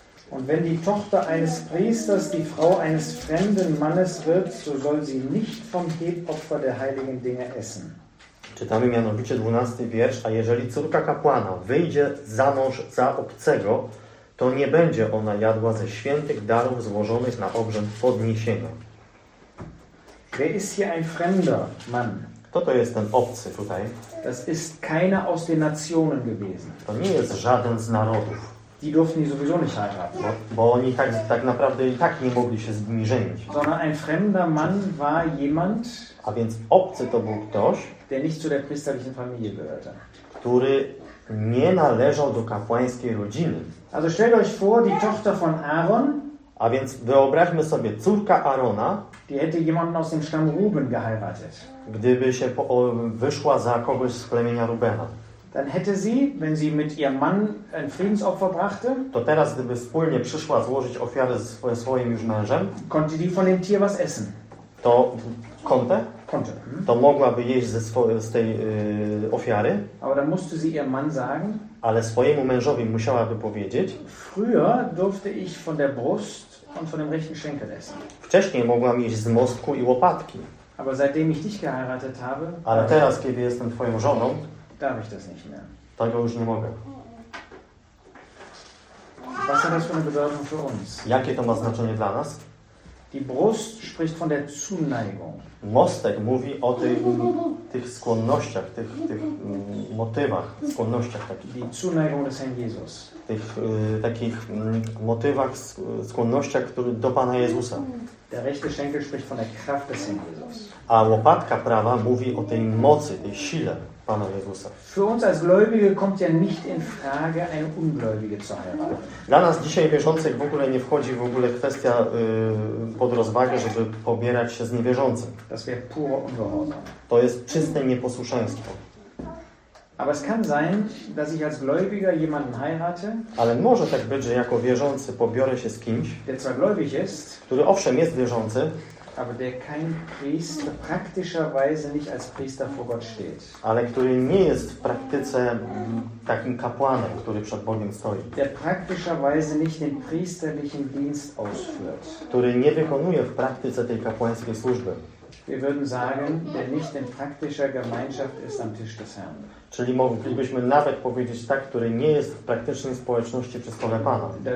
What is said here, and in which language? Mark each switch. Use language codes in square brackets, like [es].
[de] Und wenn die Tochter eines Priesters die Frau eines fremden Mannes wird, so soll sie nicht vom Hebopfer der heiligen Dinge essen. [pl] Czytamy mianowicie 12 wiersz, a jeżeli córka kapłana wyjdzie za mąż za obcego, to nie będzie ona jadła ze świętych darów złożonych na obrzęd podniesienia. [de] Wer ist hier ein fremder Mann? [pl] Kto to jest ten obcy tutaj? [de] Das ist keiner aus den Nationen gewesen. [pl] To nie jest żaden z narodów. [de] Die durften nie sowieso nicht heiraten. [pl] Bo oni tak naprawdę i tak nie mogli się z nimi żenić. [de] Sondern ein fremder Mann war jemand, [pl] a więc obcy to był ktoś, [de] der nicht zu der priesterlichen Familie gehörte. [pl] Który nie należał do kapłańskiej rodziny. [de] Also stellt euch vor, die Tochter von Aaron. [pl] A więc wyobraźmy sobie córka Aarona, [de] die hätte jemanden aus dem Stamm Ruben geheiratet. [pl] Gdyby się wyszła za kogoś z plemienia Rubena. [de] Dann hätte sie, wenn sie mit ihrem Mann ein Friedensopfer brachte, [pl] to teraz gdyby wspólnie przyszła złożyć ofiarę ze swoim już mężem, [de] konnte die von dem Tier was essen. To konnte? Konnte. [pl] To mogłaby jeść z tej ofiary. [de] Aber dann musste sie ihrem Mann sagen, [pl] ale swojemu mężowi musiałaby powiedzieć, [de] früher durfte ich von der Brust und von dem rechten Schenkel essen. [pl] Wcześniej mogłam jeść z mostku i łopatki. [de] Aber seitdem ich dich geheiratet habe, [pl] ale teraz, kiedy jestem twoją żoną, [de] darf ich das nicht mehr. [pl] Tego już nie mogę. [de] Was hat das für eine Bedeutung für uns? [pl] Jakie to ma znaczenie dla nas? [de] Die Brust spricht von der Zuneigung. [pl] Mostek mówi o tych skłonnościach, tych motywach, skłonnościach takich. [de] Die Zuneigung des Herrn Jesus. [pl] Tych takich motywach, skłonnościach, które do Pana Jezusa. [de] Der rechte Schenkel spricht von der Kraft des Herrn Jesus. [pl] A łopatka prawa mówi o tej mocy, tej sile Pana Jezusa. [de] Für uns als Gläubige kommt ja nicht in Frage, eine Ungläubige zu heiraten. [pl] Dla nas dzisiaj wierzących w ogóle nie wchodzi w ogóle kwestia pod rozwagę, żeby pobierać się z niewierzącym. [de] Das wäre pure Ungehorsam. [pl] To jest czyste nieposłuszeństwo. [de] Aber es kann sein, dass ich als Gläubiger jemanden heirate. [pl] Ale może tak być, że jako wierzący pobiorę się z kimś, [de] der zwar gläubig ist, [pl] który owszem jest wierzący, [de] aber der kein Priester praktischerweise nicht als Priester vor Gott steht. [pl] Ale który nie jest w praktyce takim kapłanem, który przed Bogiem stoi. [de] Der praktischerweise nicht den priesterlichen Dienst ausführt. [pl] Który nie wykonuje w praktyce tej kapłańskiej służby. [de] Wir würden sagen, wer nicht in praktischer Gemeinschaft ist am Tisch des Herrn. [pl] Czyli moglibyśmy nawet powiedzieć tak, który nie jest w praktycznej społeczności przy stole Pana.